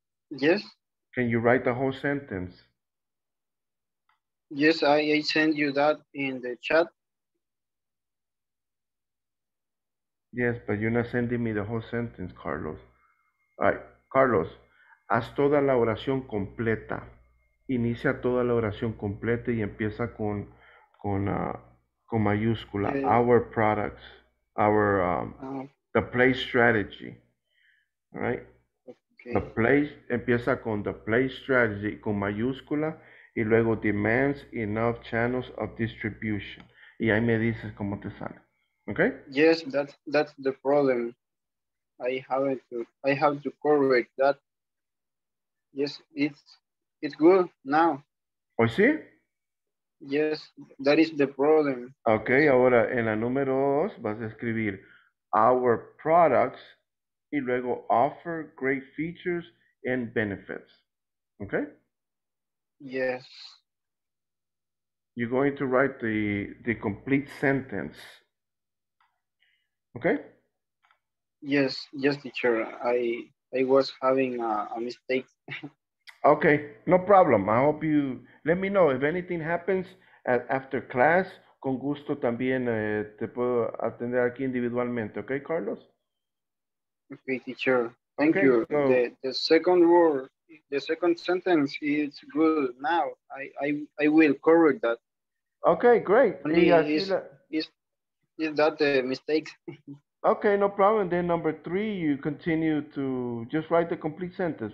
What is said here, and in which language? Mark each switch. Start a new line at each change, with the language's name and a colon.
English: Yes? Can you write the whole sentence? Yes, I send you that in the chat. Yes, but you're not sending me the whole sentence, Carlos.
Spanish: All right, Carlos, haz toda la oración completa. Inicia toda la oración completa y empieza con mayúscula.
English: Okay. Our products, our, the play strategy, all right? Okay. The play,
Spanish: empieza con
English: the play strategy
Spanish: con mayúscula y luego
English: demands enough channels of distribution.
Spanish: Y ahí me dices cómo te sale. Okay.
English: Yes, that's the problem. I have to correct that. Yes, it's good now.
Spanish: Oh, sí?
English: Yes, that is the problem.
Spanish: Okay, ahora en la número dos vas a escribir
English: our products
Spanish: y luego
English: offer great features and benefits.
Spanish: Okay?
English: Yes. You're going to write the complete sentence. Okay. Yes, teacher. I was having a mistake. Okay, no problem. I hope you let me know if anything happens after class.
Spanish: Con gusto también te puedo atender aquí individualmente.
English: Okay, Carlos. Okay, teacher. Thank you. So, the second word, the second sentence is good. Now I will correct that. Okay, great. Is that the mistake? Okay, no problem. Then number three, you continue to just write the complete sentence.